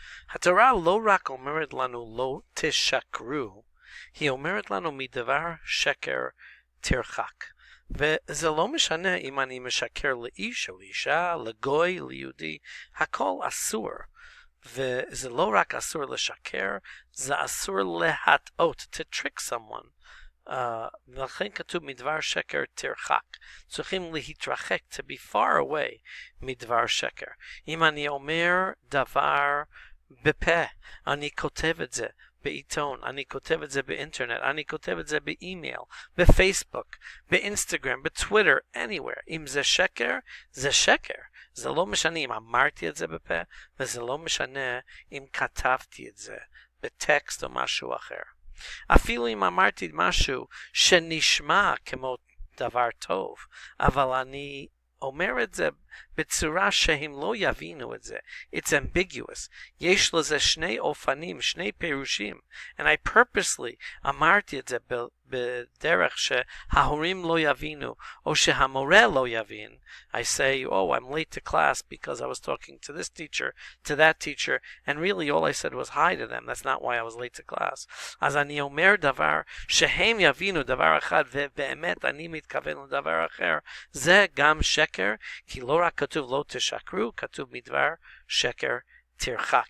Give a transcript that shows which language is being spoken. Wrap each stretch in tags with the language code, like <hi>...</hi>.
<he>התורה לא רק אומרת לנו לא תשקרו, היא אומרת לנו מדבר שקר תרחק. וזה לא משנה אם אני משקר לאיש או אישה, לגוי, ליהודי, הכל אסור. וזה לא רק אסור לשקר, זה אסור להטעות,</he> <en>to trick someone.</en> <he>ולכן כתוב מדבר שקר תרחק. צריכים להתרחק,</he> <en>to be far away</en> <he>מדבר שקר. אם אני אומר דבר בפה, אני כותב את זה בעיתון, אני כותב את זה באינטרנט, אני כותב את זה באימייל, בפייסבוק, באינסטגרם, בטוויטר, anywhere. אם זה שקר, זה שקר. זה לא משנה אם אמרתי את זה בפה, וזה לא משנה אם כתבתי את זה בטקסט או משהו אחר. אפילו אם אמרתי משהו שנשמע כמו דבר טוב, אבל אני אומר את זה בצורה שהם לא יבינו את זה.</he> <en>It's ambiguous.</en> <he>יש לזה שני אופנים, שני פירושים.</he> <en>And I purposely</en> <he>אמרתי את זה בדרך שההורים לא יבינו, או שהמורה לא יבין.</he> <en>I say, oh, I'm late to class because I was talking to this teacher, to that teacher, and really all I said was hi to them. That's not why I was late to class.</en> <he>אז אני אומר דבר שהם יבינו דבר אחד, ובאמת אני מתכוון לדבר אחר. זה גם שקר, כי לא רק כתוב לא תשקרו, כתוב מדבר שקר תרחק.</he>